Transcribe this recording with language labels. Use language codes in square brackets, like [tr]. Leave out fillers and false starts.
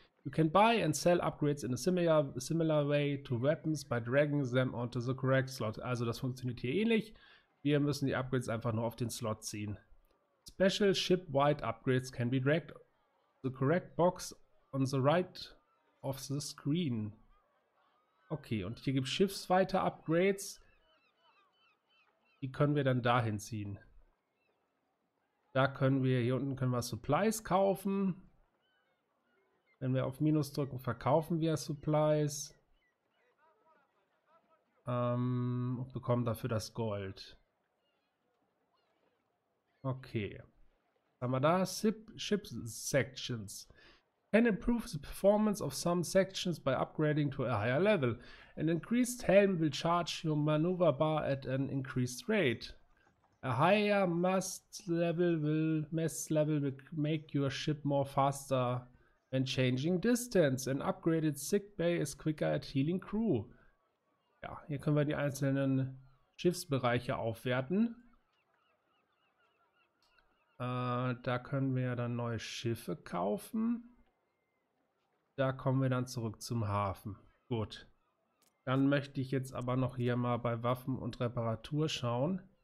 [en] You can buy and sell upgrades in a similar way to weapons by dragging them onto the correct slot. [de] Also das funktioniert hier ähnlich. Wir müssen die Upgrades einfach nur auf den Slot ziehen. [en] Special ship-wide upgrades can be dragged to the correct box on the right of the screen. [de] Okay, und hier gibt es schiffsweite Upgrades. Die können wir dann dahin ziehen. Da können wir, hier unten können wir Supplies kaufen. Wenn wir auf Minus drücken, verkaufen wir Supplies. Und bekommen dafür das Gold. Okay. Haben wir da Ship Sections. [en] Can improve the performance of some sections by upgrading to a higher level. An increased helm will charge your maneuver bar at an increased rate. A higher mast level will make your ship more faster when changing distance. An upgraded sick bay is quicker at healing crew. [de] Ja, hier können wir die einzelnen Schiffsbereiche aufwerten. Da können wir dann neue Schiffe kaufen. Da kommen wir dann zurück zum Hafen. Gut. Dann möchte ich jetzt aber noch hier mal bei Waffen und Reparatur schauen.